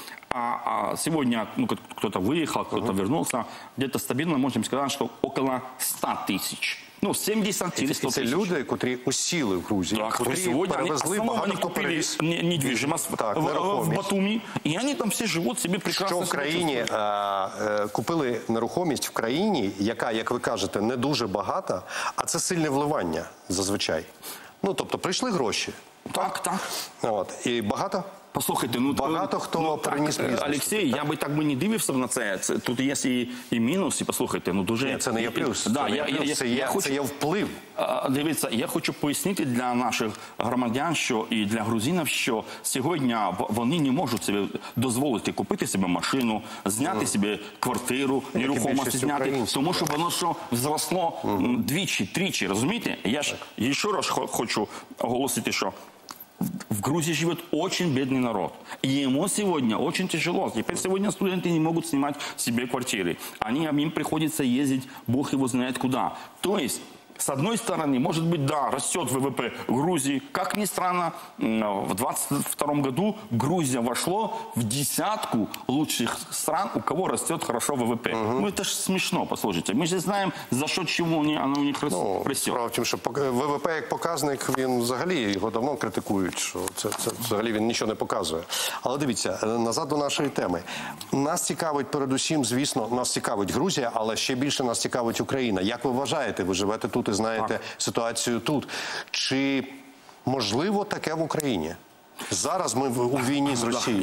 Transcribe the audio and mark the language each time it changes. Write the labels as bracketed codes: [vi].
[ru] А сегодня, ну, кто-то выехал, кто-то вернулся, где-то стабильно, можем сказать, что около 100 тысяч. Ну, 70 или 100 тысяч. Это люди, которые усили в Грузии, да, которые сегодня перевезли, они купили недвижимость в Батумі, и они там все живут себе прекрасно. Что в Украине купили [uk] нерухомість в країні, яка, як ви кажете, не дуже багата, а це сильне вливання зазвичай. Ну, тобто прийшли гроші. Так, так. От. І багато. Послухайте, ну, багато хто, ну, приніс бізнес. Олексій, я би так би не дивився на це. Тут є і мінус, і послухайте, ну, дуже... Це не є плюс, це є вплив. Дивіться, я хочу пояснити для наших громадян, що і для грузинів, що сьогодні вони не можуть собі дозволити купити собі машину, зняти собі квартиру, нерухомості зняти, тому що воно що взросло двічі-тричі, розумієте? Я ж ще раз хочу оголосити, що... [ru] В Грузии живет очень бедный народ. И ему сегодня очень тяжело. Теперь сегодня студенты не могут снимать себе квартиры. Им приходится ездить, бог его знает куда. То есть, с одной стороны, может быть, да, растет ВВП Грузии. Как ни странно, в 2022 году Грузия вошла в десятку лучших стран, у кого растет хорошо ВВП. Угу. Ну, это же смешно, послушайте. Мы же знаем, за счет чего оно у них растет. Справа в том, что ВВП, как показник, он взагалі, его давно критикуют, что це взагалі он ничего не показывает. [uk] Але дивіться, назад [ru] до нашей темы. [uk] Нас цікавить, передусім, звісно, нас цікавить Грузия, але ще більше нас цікавить Україна. Як ви вважаєте, ви живете тут? Тут, знаєте, ситуацію тут. Чи можливо таке в Україні? Зараз ми у війні з Росією.